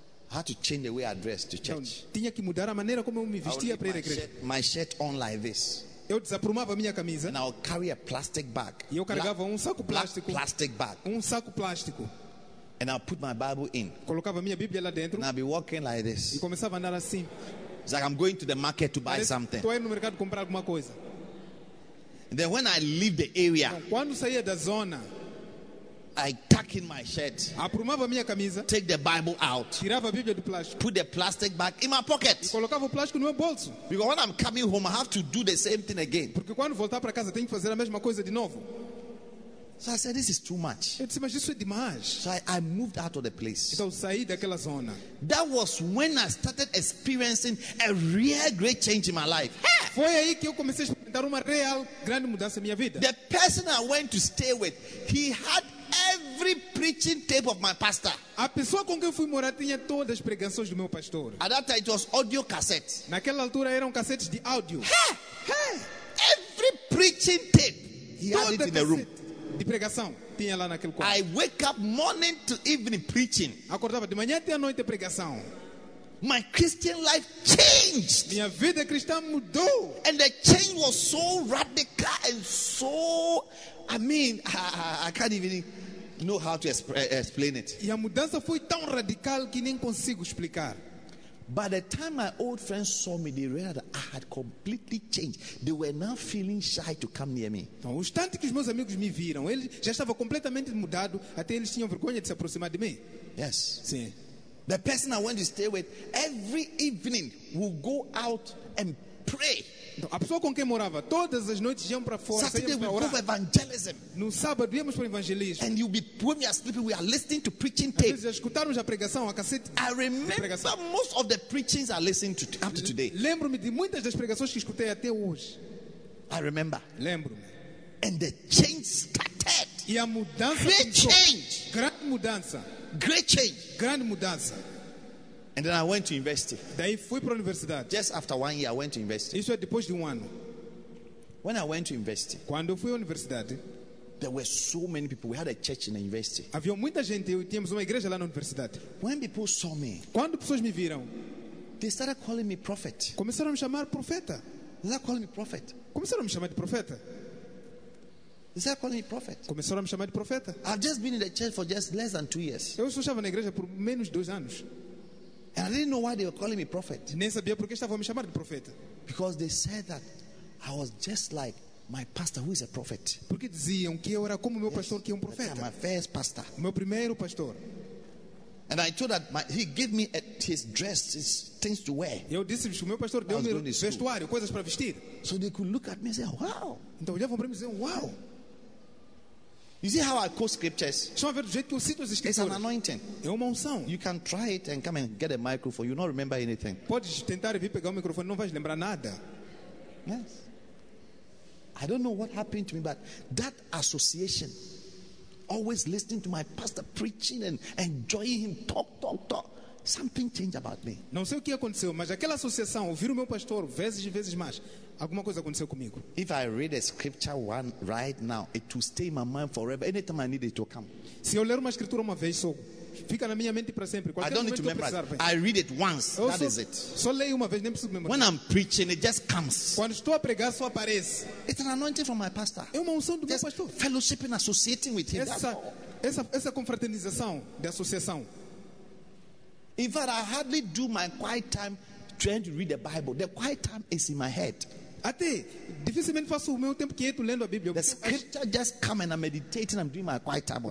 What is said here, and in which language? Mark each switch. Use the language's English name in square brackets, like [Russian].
[English] I had to change the way I dressed to church. [Portuguese] Então, tinha que mudar a maneira como eu me vestia para ir à igreja. [English] My shirt on like this. [Portuguese] Eu desaprumava a minha camisa. [English] And I'll carry a plastic bag. [Portuguese] E eu carregava um saco plástico. [English] Plastic bag. [Portuguese] Um saco plástico. [English] And I'll put my Bible in. [Portuguese] Colocava minha Bíblia lá dentro. [English] And I'll be walking like this. [Portuguese] E começava a andar assim. [English] It's like I'm going to the market to buy something. [Portuguese] Estou indo no mercado comprar alguma coisa. [English] And then when I leave the area, [Portuguese] então, quando saía da zona, [English] I tuck in my shirt. [Portuguese] Aprumava minha camisa. [English] Take the Bible out. [Portuguese] Tirava a Bíblia do plástico. [English] Put the plastic back in my pocket. [Portuguese] E colocava o plástico no meu bolso. [English] Because when I'm coming home, I have to do the same thing again. [Portuguese] Porque quando voltar para casa, tenho que fazer a mesma coisa de novo. [English] So I said, this is too much. [Portuguese] Eu disse, mas isso é demais. [English] So I moved out of the place. [Portuguese] Então saí daquela zona. [English] That was when I started experiencing a real great change in my life. [Portuguese] Foi aí que eu comecei a experimentar uma real grande mudança na minha vida. [English] The person I went to stay with, he had every preaching tape of my pastor. [Portuguese] A pessoa com quem eu fui morar tinha todas as pregações do meu pastor. [English] At that time it was audio cassettes. [Portuguese] Naquela altura eram cassetes de áudio. [English] Every preaching tape, he had it in the room. [Portuguese] De pregação tinha lá naquele quarto. [English] I wake up morning to evening preaching. [Portuguese] Acordava de manhã até à noite pregação. [English] My Christian life changed. [Portuguese] Minha vida cristã mudou. [English] And the change was so radical and so, I mean, I can't even know how to explain it. [Portuguese] E a mudança foi tão radical que nem consigo explicar. [English] By the time my old friends saw me, they realized that I had completely changed. They were now feeling shy to come near me. [Portuguese] Então, o instante que os meus amigos me viram, eles já estavam completamente mudado, até eles tinham vergonha de se aproximar de mim. [English] Yes. [Portuguese] Sim. [English] The person I went to stay with, every evening, will go out and pray. [Portuguese] Então, a pessoa com quem morava, todas as noites iam para fora. [English] Saturday we [Portuguese] orar. [English] Go for evangelism. [Portuguese] No sábado íamos para evangelismo. [English] And you'll be when we are sleeping, we are listening to preaching tapes. [Portuguese] Às vezes escutarmos a pregação, a cassete. [English] I remember most of the preachings I listened to after today. [Portuguese] Lembro-me de muitas das pregações que escutei até hoje. [English] I remember. [Portuguese] Lembro-me. [English] And the change started. [Portuguese] E a mudança. [English] Great change. [Portuguese] Grande mudança. [English] Great change. [Portuguese] Grande mudança. [English] And then I went to university. [Portuguese] Daí fui para a universidade. [English] Just after 1 year I went to university. [Portuguese] Isso é depois de 1 ano. [English] When I went to university. [Portuguese] Quando fui à universidade, [English] there were so many people. We had a church in the university. [Portuguese] Havia muita gente, tínhamos uma igreja lá na universidade. [English] When people saw me. [Portuguese] Quando pessoas me viram, [English] they started calling me prophet. [Portuguese] Começaram a me chamar profeta. [English] They started calling me prophet. [Portuguese] Começaram a me chamar de profeta. [English] They started calling me prophet. [Portuguese] Começaram a me chamar de profeta. [English] I've just been in the church for just less than 2 years. [Portuguese] Eu só estava na igreja por menos de 2 anos. [English] And I didn't know why they were calling me prophet. [Portuguese] Nem sabia por que estavam a me chamar de profeta. [English] Because they said that I was just like my pastor, who is a prophet. [Portuguese] Porque diziam que eu era como meu [English] yes, [Portuguese] pastor, que é profeta. [English] My first pastor. [Portuguese] Meu primeiro pastor. [English] And I told that he gave me his dress, his things to wear. [Portuguese] Eu disse que o meu pastor deu-me vestuário, coisas para vestir. [English] So they could look at me and say, "Wow." [Portuguese] Então olhavam para mim e diziam, "Wow." [English] You see how I quote scriptures? [Portuguese] Estão a ver do jeito que eu cito as escrituras? [English] It's an anointing. [Portuguese] É uma unção. [English] You can try it and come and get a microphone. You don't remember anything. [Portuguese] Podes tentar vir pegar o microfone, não vais lembrar nada. [English] Yes. I don't know what happened to me, but that association, always listening to my pastor preaching and enjoying him, talk, something changed about me. [Portuguese] Não sei o que aconteceu, mas aquela associação, ouvir o meu pastor vezes e vezes mais, alguma coisa aconteceu comigo. [English] If I read a scripture one right now, it will stay in my mind forever. Anytime I need it, it will come. [Portuguese] Se eu ler uma escritura uma vez, só fica na minha mente para sempre. [English] I don't need to memorize. I read it once. That is it. [Portuguese] Só leio uma vez, nem preciso memorizar. [English] When I'm preaching, it just comes. [Portuguese] Quando estou a pregar, só aparece. [English] It's an anointing from my pastor. [Portuguese] É uma unção do meu pastor. [English] Fellowship and associating with him. [Portuguese] Essa confraternização de associação. [English] In fact, I hardly do my quiet time trying to read the Bible. The quiet time is in my head. [Portuguese] Até dificilmente faço o meu tempo quieto lendo a Bíblia. [English] The scripture just come and I'm meditating, I'm doing my quiet time on it.